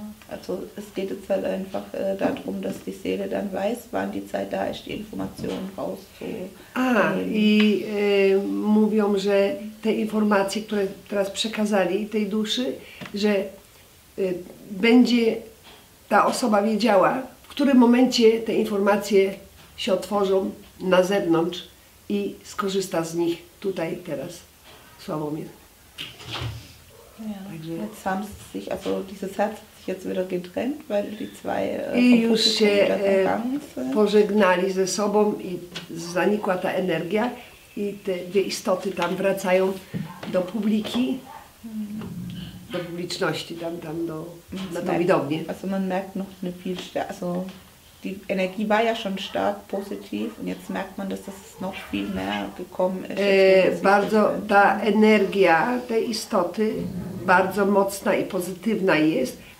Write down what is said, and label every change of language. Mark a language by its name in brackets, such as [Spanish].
[German] Also es geht jetzt halt einfach darum, dass die Seele dann weiß, wann die Zeit da ist, die Informationen rauszuholen. [Polish] Mówią, że te informacje, które teraz przekazali tej duszy, że będzie ta osoba wiedziała, w którym momencie te informacje się otworzą na zewnątrz i skorzysta z nich tutaj teraz Sławomir. Także [German] jetzt haben sie sich, also dieses Herz jetzt wieder getrennt, weil die zwei [Polish] i już się pożegnali ze sobą i zanikła ta energia i te dwie istoty tam wracają do publiki, do publiczności, tam do, na tą widownię. [German] Also man merkt noch eine viel stärker, also die Energie war ja schon stark positiv und jetzt merkt man, dass das noch viel mehr gekommen ist. [Polish] Bardzo ta energia tej istoty bardzo mocna i pozytywna jest.